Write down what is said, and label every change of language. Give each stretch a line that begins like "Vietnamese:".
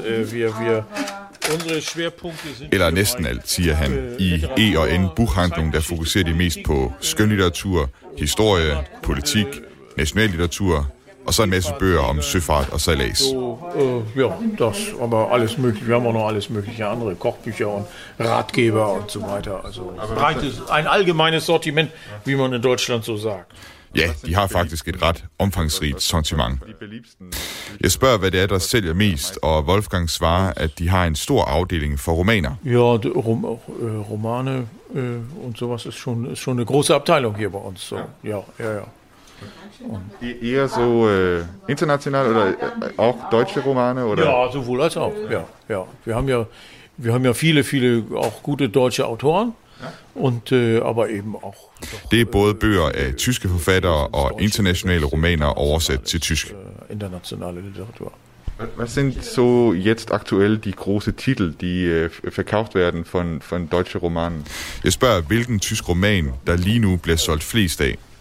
German: Wir unsere Schwerpunkte sind
Danish: eller næsten alt, siger han, i E&N Buchhandlung, der fokuserer de mest på skønlitteratur, historie, politik, nationallitteratur og så en masse bøger om søfart og sejlads.
German: Ja, das aber alles möglich. Wir haben noch alles mögliche andere Kochbücher und Ratgeber und so weiter. Also breites, ein allgemeines Sortiment, wie man in Deutschland so sagt.
Danish: Ja, de har faktisk et ret omfangsrigt sortiment. Jeg spørger, hvad det er, der sælger mest, og Wolfgang svarer, at de har en stor afdeling for romaner.
German: Ja, romane und sowas ist schon, schon eine große Abteilung hier bei uns. So. Ja, ja, ja. Eher so international oder auch deutsche Romane? Oder? Ja, sowohl als auch. Ja, ja. Wir haben ja viele, viele auch gute deutsche Autoren. Und, aber eben auch
Danish: det er både bøger af tyske forfattere og internationale romaner oversat til tysk. Internationale litteratur. Hvad
German: sind så jetzt aktuelle de große titel, de verkauft werden von deutsche romanen?
Danish: Jeg spørger, hvilken tysk roman, der lige nu bliver solgt flest af?